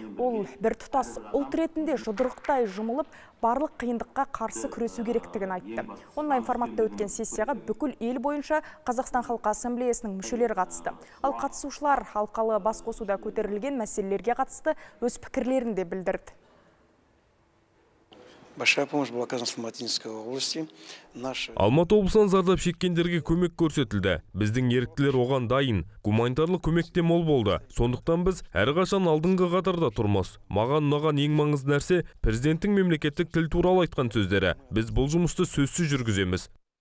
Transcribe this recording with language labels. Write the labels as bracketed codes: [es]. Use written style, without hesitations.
[kk] Ол бір тұтас ұлт ретінде жұдырықтай жұмылып, барлық қиындыққа қарсы күресу керектігін айтты. Онлайн форматта өткен сессияға бүкіл ел бойынша Қазақстан халқы ассамблеясының мүшелері қатысты. Ал қатысушылар халқалы басқосуда көтерілген мәселелерге қатысты өз пікірлерін де білдірді. [ru] Большая помощь была оказана в Матинской области. [kk] Алматы облысынан зардап шеккендерге көмек көрсетілді. Біздің еріктілер оған дайын, гуманитарлық көмек те мол болды. Сондықтан біз әрқашан алдыңғы қатарда тұрмыз. Маған ұнаған ең маңызды нәрсе президенттің мемлекеттік тіл туралы айтқан сөздері. Біз бұл жұмысты сөзсіз жүргіземіз.